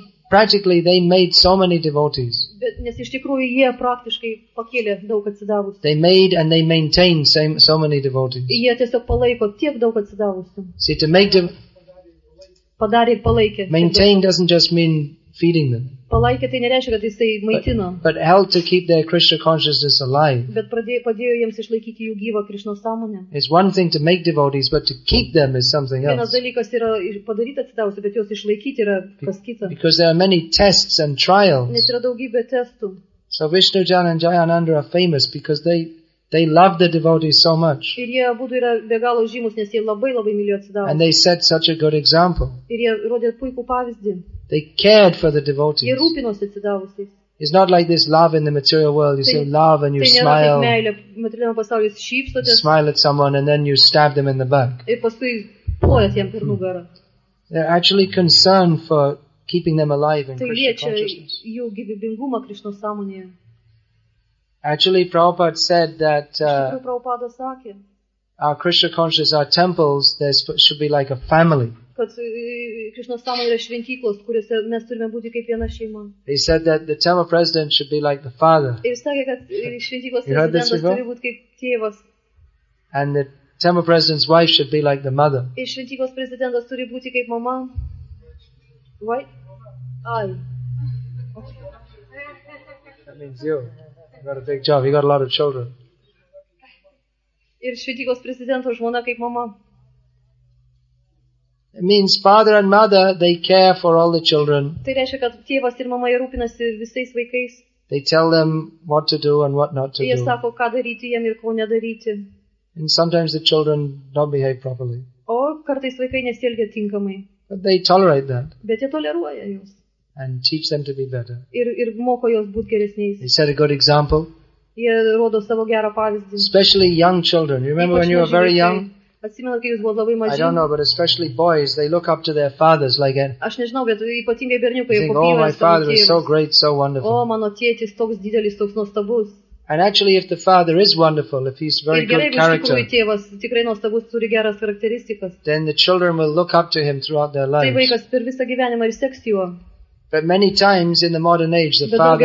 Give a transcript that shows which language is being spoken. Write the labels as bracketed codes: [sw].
[en] practically they made so many devotees. [lt] Bet, nes iš tikrųjų jie praktiškai pakėlė daug atsidavusių. [en] They made and they maintain so many devotees. [lt] Jie tiesiog palaiko tiek daug atsidavusių. [en] See, to make them [lt] padarė palaikė. [en] Maintain doesn't just mean feeding them. [lt] Palaikė tai nereiškia, kad jisai maitino. [en] But help to keep their Krishna consciousness alive. [lt] Bet padėjo jiems išlaikyti jų gyvą Krishna sąmonę. [en] It's one thing to make devotees, but to keep them is something else. [lt] Vienas dalykas yra padaryti atsidavusių, bet juos išlaikyti yra kas kita. [en] Because there are many tests and trials. [lt] Nes yra daugybė testų. [en] So Vishnu Jan and Jayananda are famous because they love the devotees so much. [lt] Ir jie abudu yra be galo žymus, nes jie labai labai mylėjo atsidavusius. [en] And they set such a good example. [lt] Ir jie rodė puikų pavyzdį. [en] They cared for the devotees. It's not like this love in the material world. You say love and you smile. You smile at someone and then you stab them in the back. They're actually concerned for keeping them alive in Krishna consciousness. Actually, Prabhupada said that our Krishna consciousness, our temples, there should be like a family. [lt] Kad Krishna sąmonė yra šventyklos, kuriuose mes turime būti kaip viena šeima. [en] He said that the temple president should be like the father. [lt] Ir sakė, kad šventyklos prezidentas turi būti kaip tėvas. [en] And the temple president's wife should be like the mother. [lt] Ir šventyklos prezidentas turi būti kaip mama. [en] Why? Ai. That means you. You got a big job. You got a lot of children. [lt] Ir šventyklos prezidento žmona kaip mama. [en] It means father and mother, they care for all the children. [lt] Tai reiškia, kad tėvas ir mama rūpinasi visais vaikais. [en] They tell them what to do and what not to do. [lt] Jie sako, ką daryti jiem ir ko nedaryti. [en] And sometimes the children don't behave properly. [lt] O kartais vaikai nesielgia tinkamai. [en] But they tolerate that. [lt] Bet jie toleruoja juos. [en] And teach them to be better. [lt] Ir moko juos būti geresniais. [en] They set a good example. [lt] Jie rodo savo gerą pavyzdį. [en] Especially young children. You remember when you were very young? [lt] Atsimenu, kai jūs buvo labai maži. [en] I don't know, but especially boys, they look up to their fathers like a... [lt] Aš nežinau, bet ypatingai berniukai, [en] think, oh, my father is so great, so wonderful. [lt] O, mano tėtis toks didelis, toks nuostabus. [en] And actually, if the father is wonderful, if he's very good character, [lt] tėvas, tikrai nuostabus, turi geras charakteristikas, [en] then the children will look up to him throughout their lives. [lt] Tai vaikas per visą gyvenimą ir seks juo. [en] But many times in the modern age, the father...